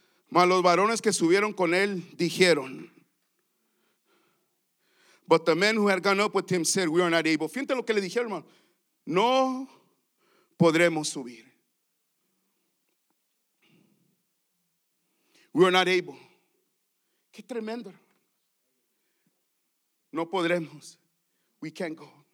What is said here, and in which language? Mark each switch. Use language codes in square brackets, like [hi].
[es] Mas los varones que subieron con él dijeron. [en] But the men who had gone up with him said, we are not able. [es] Fíjate lo que le dijeron, hermano. No podremos subir. [en] We are not able. [es] Qué tremendo. No podremos. [en] We can't go.